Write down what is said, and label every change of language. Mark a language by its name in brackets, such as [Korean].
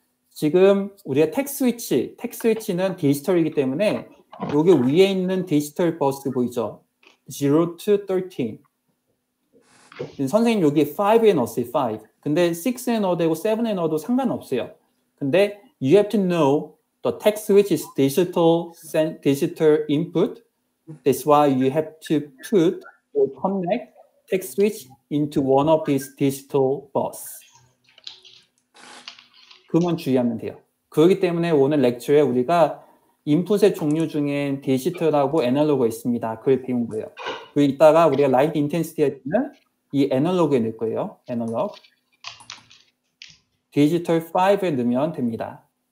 [Korean] 지금 우리가 택 스위치는 디지털이기 때문에 여기 위에 있는 디지털 버스 보이죠? [English] 0 to 13. [Korean] 선생님 여기 5에 넣었어요, 5. 근데 6에 넣어도 되고 7에 넣어도 상관없어요. [English] 근데 you have to know the text which is digital input. That's why you have to put or connect text switch into one of these digital bus. [Korean] 그만 주의하면 돼요. 그렇기 때문에 오늘 렉처에 우리가 인풋의 종류 중에 디지털하고 애널로그가 있습니다. 그걸 배운 거예요. 그리고 이따가 우리가 라이트 인텐시티 할 때는 이 애널로그에 넣을 거예요. 애널로그. 디지털 5에 넣으면 됩니다.